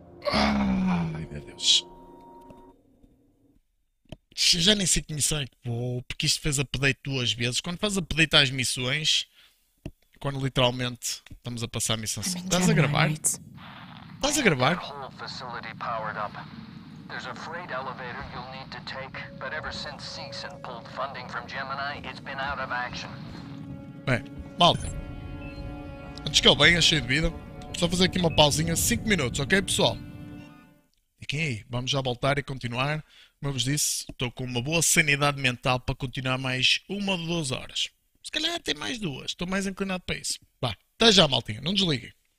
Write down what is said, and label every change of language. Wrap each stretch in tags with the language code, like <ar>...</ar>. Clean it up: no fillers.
<pt>Ai, meu Deus. Eu já nem sei que missão é que vou. Porque isto fez update duas vezes. Quando faz update às missões. Quando literalmente estamos a passar a missão. Estás a gravar? Estás a gravar?</pt> <en>A whole facility powered up. There's a freight elevator you'll need to take, but ever since Ceason pulled funding from Gemini, it's been out of action.</en> <pt>Bem, malta. Antes que ele venha cheio de vida, só fazer aqui uma pausinha, 5 minutos, ok, pessoal? E quê? Vamos já voltar e continuar. Como eu vos disse, estou com uma boa sanidade mental para continuar mais uma ou duas horas. Se calhar até mais duas. Estou mais inclinado para isso. Vá. Até já, maltinha. Não desliguem.</pt>